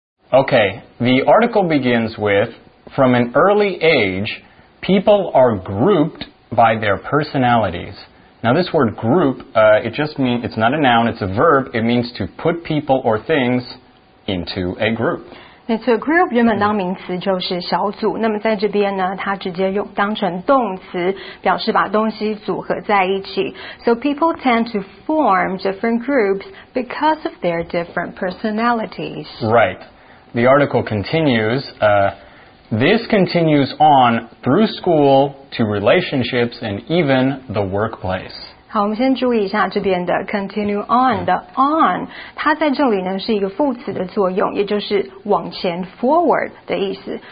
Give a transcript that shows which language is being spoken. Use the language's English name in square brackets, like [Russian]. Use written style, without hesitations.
[English] Okay, the article begins with, from an early age, people are grouped by their personalities. Now this word group, it just means, it's not a noun, it's a verb. It means to put people or things into a group. [Chinese] 没错 ，group 原本当名词就是小组，那么在这边呢，它直接用当成动词，表示把东西组合在一起。 [English] So people tend to form different groups because of their different personalities. Right. The article continues. This continues on through school to relationships and even the workplace. [Chinese] 好，我们先注意一下这边的 continue on 的 on， 它在这里呢是一个副词的作用，也就是往前 forward 的意思。